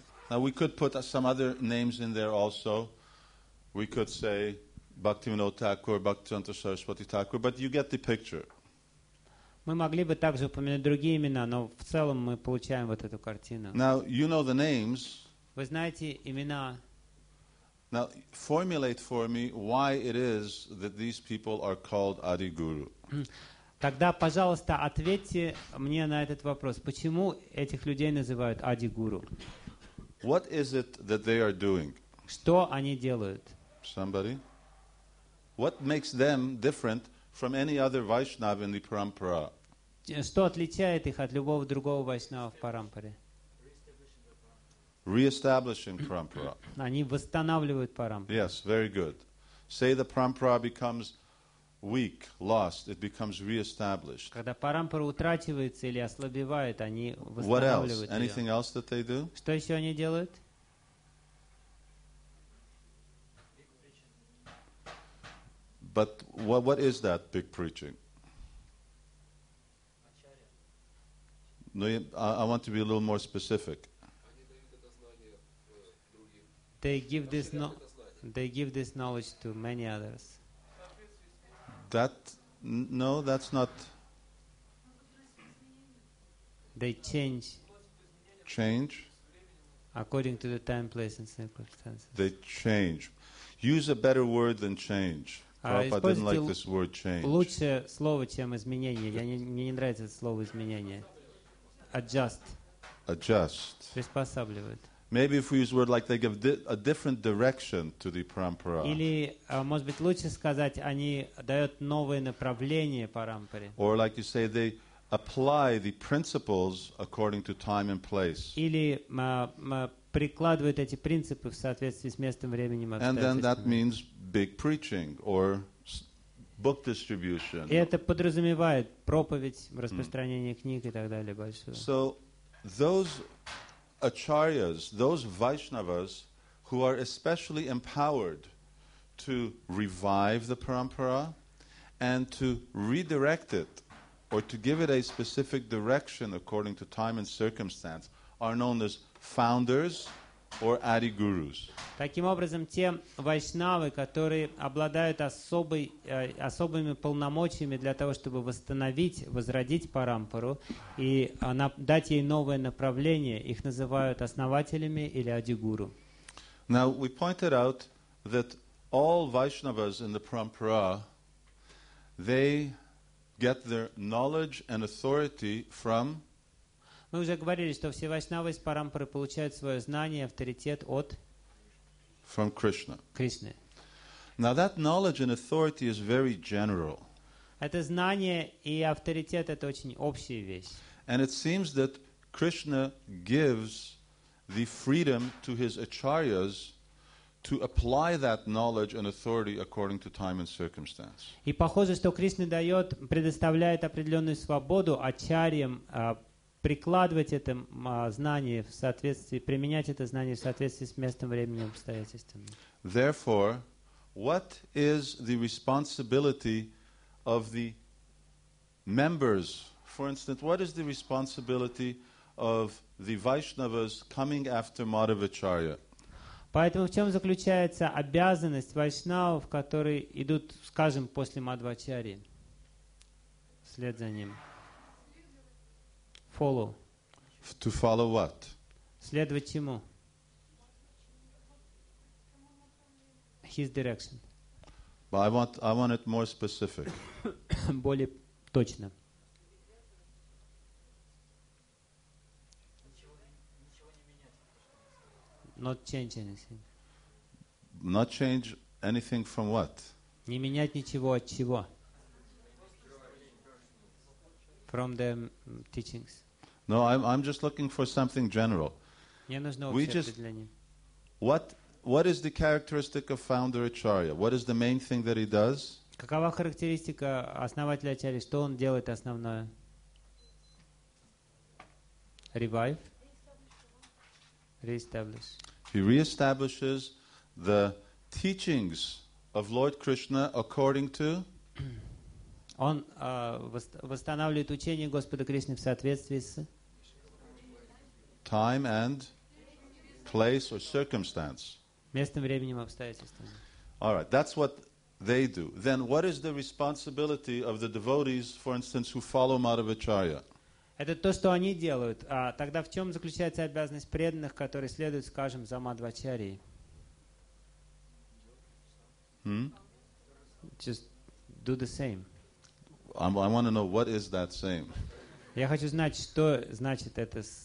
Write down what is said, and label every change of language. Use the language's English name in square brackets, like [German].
[English] Now we could put some other names in there also. We could say Bhaktivinoda Thakur, Bhaktivinoda Saraswati Thakur, but you get the picture. [Russian] Мы могли бы также упомянуть другие имена, но в целом мы получаем вот эту картину. [English] Now, you know the names. [Russian] Вы знаете имена. [English] Now, formulate for me why it is that these people are called Adi Guru. [Russian] Тогда, пожалуйста, ответьте мне на этот вопрос. Почему этих людей называют Ади Гуру? [English] What is it that they are doing? [Russian] Что они делают? [English] Somebody? What makes them different from any other Vaishnava in the parampara? [Russian] Что отличает их от любого другого вайшнава в парампаре? [English] Re-establishing parampara. [Russian] Они восстанавливают парампару. [English] Yes, very good. Say the parampara becomes weak, lost, it becomes re-established. [Russian] Когда парампара утрачивается или ослабевает, они восстанавливают. [English] What else? Anything else that they do? [Russian] Что еще они делают? [English] But what is that big preaching? No, I want to be a little more specific. They give this knowledge to many others. That's not. They change. Change. According to the time, place, and circumstances. They change. Use a better word than change. Prabhupada didn't like this word change. [Russian] Лучшее слово, чем изменение. Мне не нравится это слово изменение. [English] Adjust. Adjust. [Russian] Приспосабливают. [English] Maybe if we use a word like they give a different direction to the parampara. [Russian] Или, может быть, лучше сказать, они дают новое направление парампаре. [English] Or like you say, they apply the principles according to time and place. [Russian] Или прикладывают эти принципы в соответствии с местом, временем, [English] And then that means big preaching or book distribution. [Russian] И это подразумевает проповедь, распространение книг и так далее большое. [English] So those acharyas, those Vaishnavas who are especially empowered to revive the parampara and to redirect it or to give it a specific direction according to time and circumstance are known as founders or Adi Gurus. [Russian] Таким образом, те вайшнавы, которые обладают особыми полномочиями для того, чтобы восстановить, возродить парампару и дать ей новое направление, их называют основателями или Ади Гуру. [English] Now we pointed out that all Vaishnavas in the parampara they get their knowledge and authority from. [Russian] Мы уже говорили, что все вайшнавы из парампары получают свое знание, авторитет от. [English] From Krishna. [Russian] Кришны. [English] Now that knowledge and authority is very general. [Russian] Это знание и авторитет — это очень общая вещь. [English] And it seems that Krishna gives the freedom to his acharyas to apply that knowledge and authority according to time and circumstance. [Russian] И похоже, что Кришна дает, предоставляет определенную свободу ачарьям прикладывать это знание в соответствии, применять это знание в соответствии с местом, временем, обстоятельствами. [English] Therefore, what is the responsibility of the members? For instance, what is the responsibility of the Vaishnavas coming after Madhavacharya? [Russian] Поэтому в чем заключается обязанность вайшнавов, которые идут, скажем, после Мадхвачарьи, вслед за ним? [English] Follow. To follow what? [Russian] Следовать чему? [English] His direction. But I want it more specific. [Russian] Более точно. [English] Not change anything. Not change anything from what? [Russian] Не менять ничего от чего? [English] From the teachings. No, I'm just looking for something general. We just, what is the characteristic of founder Acharya? What is the main thing that he does? [Russian] Какова характеристика основателя Ачарьи? Что он делает основное? [English] Revive. Reestablish. He reestablishes the teachings of Lord Krishna according to. [Russian] Он восстанавливает учение Господа Кришны в соответствии с. [English] Time and place or circumstance. [Russian] Местным, временем, обстоятельствами. [English] All right, that's what they do. Then what is the responsibility of the devotees, for instance, who follow Madhavacharya? [Russian] Это то, что они делают. А тогда в чем заключается обязанность преданных, которые следуют, скажем, за Мадхвачарьей? [English] Just do the same. I want to know what is that same. [Russian] Я хочу знать, что значит это.